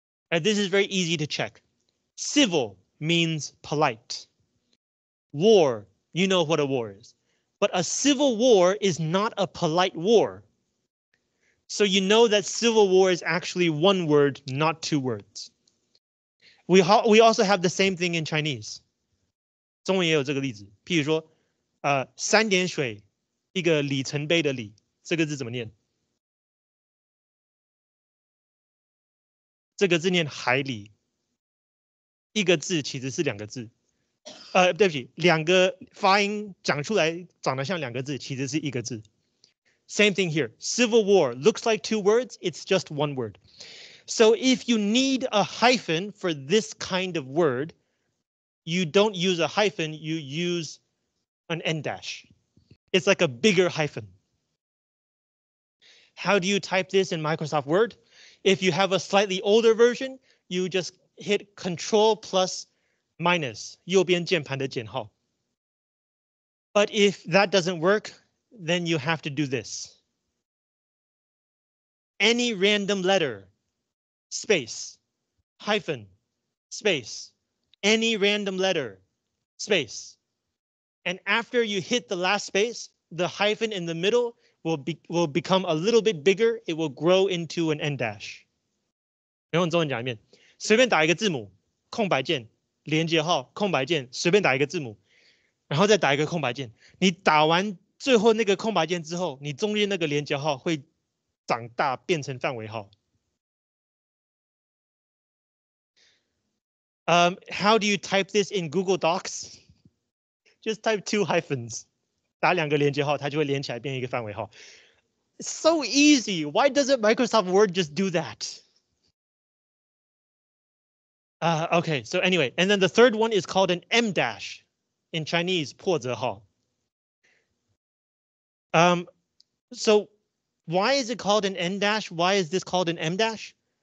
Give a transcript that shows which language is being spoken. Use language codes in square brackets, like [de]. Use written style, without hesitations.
[en] And this is very easy to check. Civil means polite. War, you know what a war is. But a civil war is not a polite war. So you know that civil war is actually one word, not two words. We also have the same thing in Chinese. [zh] 中文也有这个例子, 譬如说, 三点水, 一个里程碑的里, 这个字怎么念? 这个字念海里, 一个字其实是两个字。对不起,两个发音讲出来长得像两个字,其实是一个字. [en] Same thing here. Civil war looks like two words, it's just one word. So if you need a hyphen for this kind of word, you don't use a hyphen, you use an n dash. It's like a bigger hyphen. How do you type this in Microsoft Word? If you have a slightly older version, you just hit Control plus minus, [zh] 右边键盘的键号. [en] But if that doesn't work, then you have to do this. Any random letter, space, hyphen, space, any random letter, space. And after you hit the last space, the hyphen in the middle will become a little bit bigger. It will grow into an n dash. [zh] 用中文讲一遍, 随便打一个字母, 空白键, 连接号, 空白键, 随便打一个字母, 然后再打一个空白键, 你打完最后那个空白键之后, 你中间那个连接号会长大, 变成范围号。 [en] How do you type this in Google Docs? Just type two hyphens. [zh] 打两个连接号, 它就会连起来变一个范围号。 [en] So easy, why doesn't Microsoft Word just do that? Okay, so anyway, and then the third one is called an M dash in Chinese, 破折号. So why is it called an N dash? Why is this called an M dash?